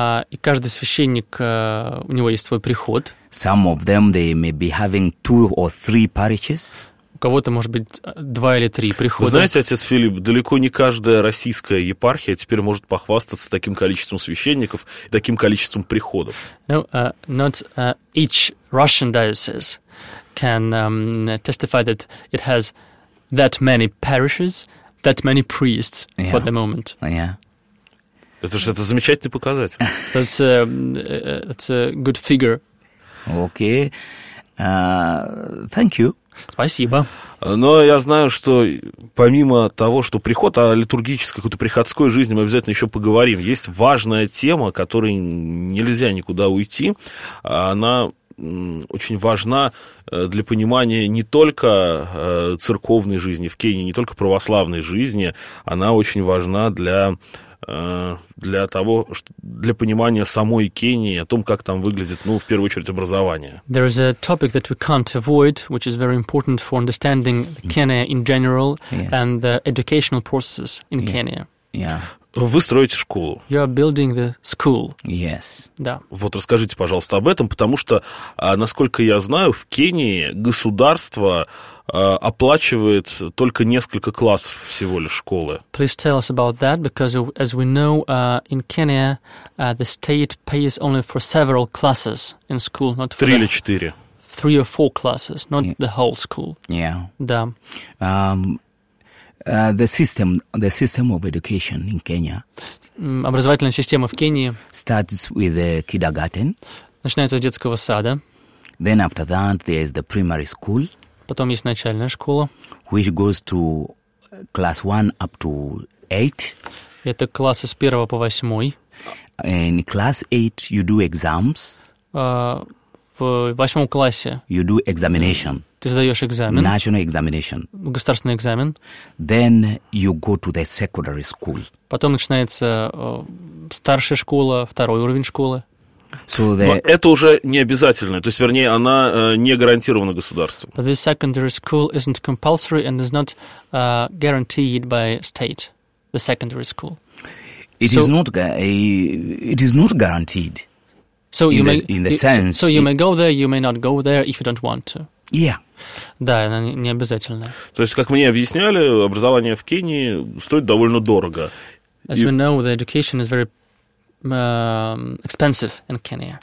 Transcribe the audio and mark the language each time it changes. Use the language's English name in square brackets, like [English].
[Russian] И каждый священник, у него есть свой приход. [English] Some of them, they may be having two or three parishes. [Russian] У кого-то, может быть, два или три прихода. Вы знаете, отец Филипп, далеко не каждая российская епархия теперь может похвастаться таким количеством священников и таким количеством приходов. [English] No, not each Russian diocese can testify that it has that many parishes, that many priests for the moment. Yeah. [Russian] Потому что это замечательный показатель. [English] That's it's a good figure. Okay. Thank you. [Russian] Спасибо. Но я знаю, что помимо того, что приход, о литургической, какой-то приходской жизни мы обязательно еще поговорим. Есть важная тема, которой нельзя никуда уйти. Она очень важна для понимания не только церковной жизни в Кении, не только православной жизни. Она очень важна для понимания самой Кении, о том, как там выглядит, в первую очередь, образование. [English] There is a topic that we can't avoid, which is very important for understanding Kenya in general and the educational processes in Kenya. Yeah. [Russian] Вы строите школу. [English] You are building the school. Yes. [Russian] Да. Вот расскажите, пожалуйста, об этом, потому что, насколько я знаю, в Кении государство оплачивает только несколько классов всего лишь школы. [English] Please tell us about that, because as we know, in Kenya, the state pays only for several classes in school, not for... [Russian] Три или четыре. [English] Three or four classes, not the whole school. Yeah. [Russian] Да. [English] The system of education in Kenya. [Russian] Образовательная система в Кении. [English] Starts with the kindergarten. [Russian] Начинается с детского сада. [English] Then after that there is the primary school. [Russian] Потом есть начальная школа. [English] Which goes to class 1 up to 8. [Russian] Это классы с 1 по 8. [English] In class 8 you do exams. [Russian] В восьмом классе. [English] You do examination. [Russian] Ты сдаешь экзамен. [English] National examination. [Russian] Государственный экзамен. [English] Then you go to the secondary school. [Russian] Потом начинается старшая школа, второй уровень школы. [English] So the... [Russian] Но это уже не обязательно, то есть, вернее, она не гарантирована государством. [English] The secondary school isn't compulsory and is not guaranteed by state. The secondary school. It is not guaranteed. So in you may in the sense, so you it, may go there, you may not go there if you don't want to. Yeah. [Russian] Да, она не обязательная. То есть, как мне объясняли, образование в Кении стоит довольно дорого. [English] As we know, the education is very expensive in Kenya.